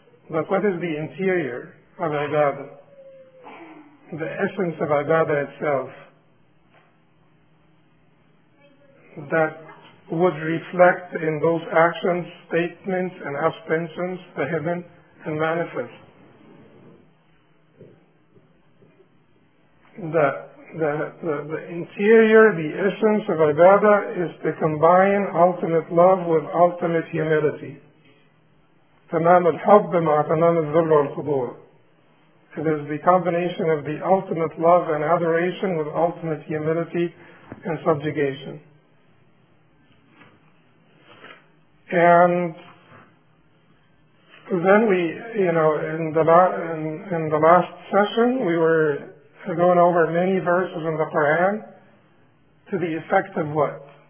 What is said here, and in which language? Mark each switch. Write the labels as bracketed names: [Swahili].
[English] But what is the interior of ibadah? The essence of ibadah itself, that would reflect in those actions, statements, and abstentions, the hidden and manifest. The interior, the essence of ibadah, is to combine ultimate love with ultimate humility. [Arabic] تمام الحب مع تمام الذل والخضوع. [English] It is the combination of the ultimate love and adoration with ultimate humility and subjugation. And then we, you know, in the last session, we were going over many verses in the Quran to the effect of what?